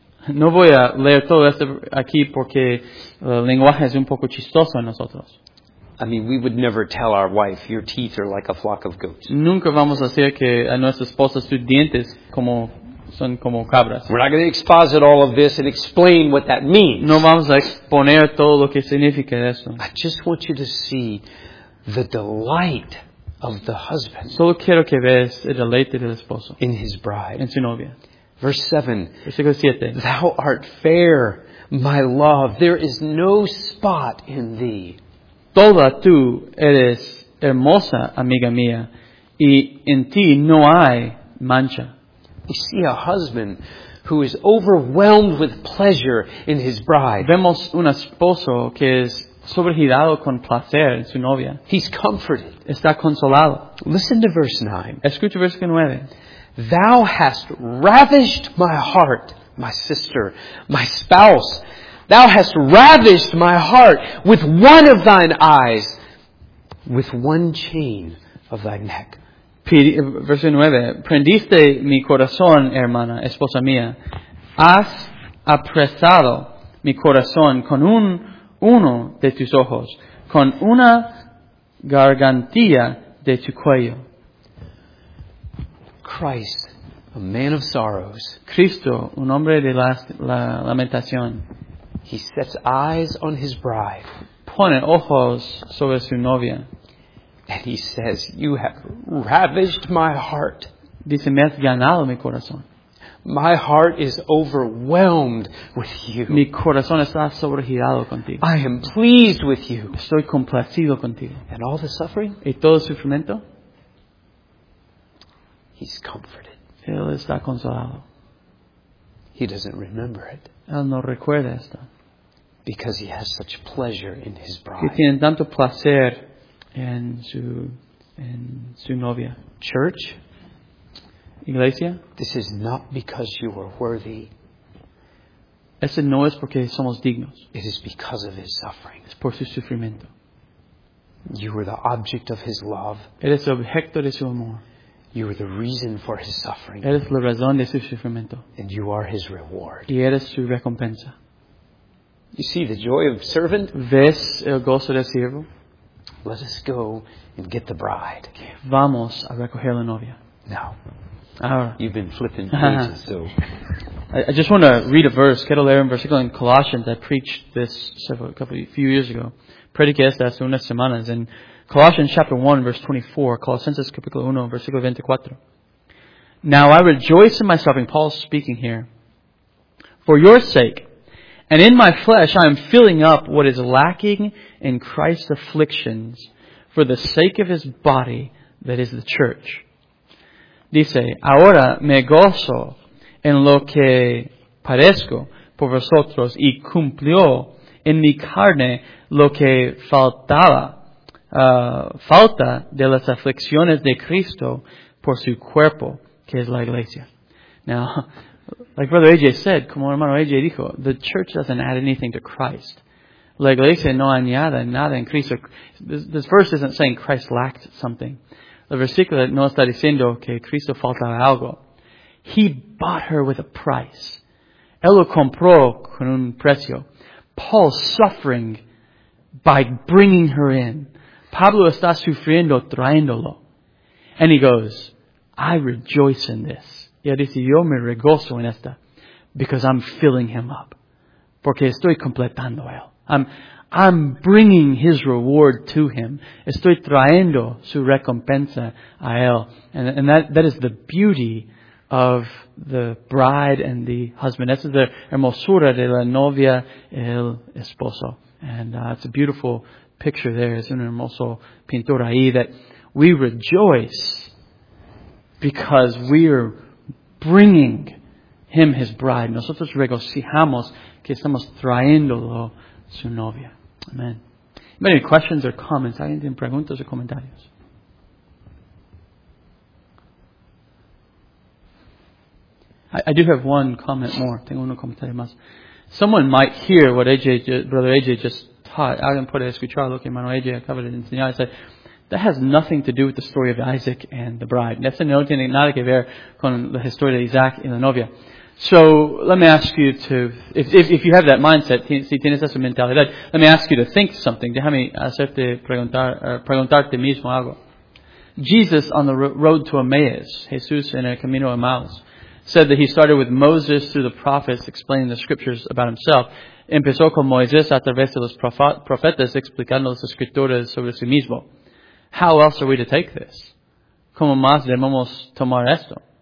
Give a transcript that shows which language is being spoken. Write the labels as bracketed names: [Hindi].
[Spanish] No voy a leer todo esto aquí porque el lenguaje es un poco chistoso en nosotros. [English] I mean, we would never tell our wife, your teeth are like a flock of goats. [Spanish] Nunca vamos a decir que a nuestra esposa sus dientes como... son como cabras. [English] We're not going to exposit all of this and explain what that means. [Spanish] No vamos a exponer todo lo que significa eso. [English] I just want you to see the delight of the husband. [Spanish] Solo quiero que veas el deleite del esposo. [English] In his bride. [Spanish] En su novia. [English] Verse 7. [Spanish] Versículo 7. [English] Thou art fair, my love. There is no spot in thee. [Spanish] Toda tú eres hermosa, amiga mía. Y en ti no hay mancha. [English] You see a husband who is overwhelmed with pleasure in his bride. [Spanish] Vemos un esposo que es sobregirado con placer en su novia. [English] He's comforted. [Spanish] Está consolado. [English] Listen to verse 9. [Spanish] Escucha versículo 9. [English] Thou hast ravished my heart, my sister, my spouse. Thou hast ravished my heart with one of thine eyes, with one chain of thy neck. [Spanish] Verso 9. Prendiste mi corazón, hermana, esposa mía. Has apresado mi corazón con uno de tus ojos, con una gargantilla de tu cuello. [English] Christ, a man of sorrows. [Spanish] Cristo, un hombre de la lamentación. [English] He sets eyes on his bride. [Spanish] Pone ojos sobre su novia. [English] And he says, you have ravished my heart. [Spanish] Dice, me has ganado mi corazón. [English] My heart is overwhelmed with you. [Spanish] Mi corazón está sobregirado contigo. [English] I am pleased with you. [Spanish] Estoy complacido contigo. [English] And all the suffering? [Spanish] ¿Y todo el sufrimiento? [English] He's comforted. [Spanish] Él está consolado. [English] He doesn't remember it. [Spanish] Él no recuerda esto. [English] Because he has such pleasure in his bride. [Spanish] Que tiene tanto placer en su novia. [English] Church. [Spanish] Iglesia. [English] This is not because you are worthy. [Spanish] Ese no es porque somos dignos. [English] It is because of his suffering. [Spanish] Es por su sufrimiento. [English] You are the object of his love. [Spanish] Eres objeto de su amor. [English] You are the reason for his suffering. [Spanish] Eres la razón de su sufrimiento. [English] And you are his reward. [Spanish] Y eres su recompensa. [English] You see the joy of servant? [Spanish] ¿Ves el gozo del siervo? [English] Let us go and get the bride. [Spanish] Vamos a recoger la novia. [English] Now. [Spanish] Ahora. [English] You've been flipping pages, so. I just want to read a verse. [Spanish] Quiero leer un versículo en Colossians. [English] I preached this a few years ago. [Spanish] Predicé esta hace unas semanas. [English] In Colossians chapter 1, verse 24. [Spanish] Colossenses capítulo 1, versículo 24. [English] Now I rejoice in my suffering. Paul's speaking here. For your sake, and in my flesh, I am filling up what is lacking in Christ's afflictions for the sake of his body, that is the church. [Spanish] Dice, ahora me gozo en lo que padezco por vosotros y cumplió en mi carne lo que faltaba, falta de las aflicciones de Cristo por su cuerpo, que es la iglesia. [English] Now, like Brother AJ said, [Spanish] como hermano AJ dijo, [English] the church doesn't add anything to Christ. [Spanish] La iglesia no añade nada en Cristo. [English] This verse isn't saying Christ lacked something. [Spanish] La versículo no está diciendo que Cristo faltaba algo. [English] He bought her with a price. [Spanish] Él lo compró con un precio. [English] Paul suffering by bringing her in. [Spanish] Pablo está sufriendo trayéndolo. [English] And he goes, I rejoice in this. [Spanish] Y él dice, yo me regozo en esta. [English] Because I'm filling him up. [Spanish] Porque estoy completando a él. [English] I'm bringing his reward to him. [Spanish] Estoy trayendo su recompensa a él. [English] And that is the beauty of the bride and the husband. [Spanish] Esa es la hermosura de la novia y el esposo. [English] And it's a beautiful picture there. [Spanish] Es una hermosa pintura ahí [English] that we rejoice because we are bringing him his bride. [Spanish] Nosotros regocijamos que estamos trayéndolo su novia. Amen. [English] Any questions or comments? [Spanish] ¿Alguien tiene preguntas o comentarios? [English] I do have one comment more. [Spanish] Tengo uno comentario más. [English] Someone might hear what Brother AJ just taught. [Spanish] Alguien puede escuchar lo que hermano AJ acaba de enseñar. [English] I said, that has nothing to do with the story of Isaac and the bride. [Spanish] Eso no tiene nada que ver con la historia de Isaac y la novia. [English] So let me ask you to, if you have that mindset, [Spanish] si tienes esa mentalidad, [English] let me ask you to think something. [Spanish] Déjame hacerte preguntarte mismo algo. [English] Jesus on the road to Emmaus, [Spanish] Jesús en el camino a Emmaus, [English] said that he started with Moses through the prophets explaining the scriptures about himself. [Spanish] Empezó con Moisés a través de los profetas explicando las escrituras sobre sí mismo. [English] How else are we to take this? [Spanish] ¿Cómo más debemos tomar esto?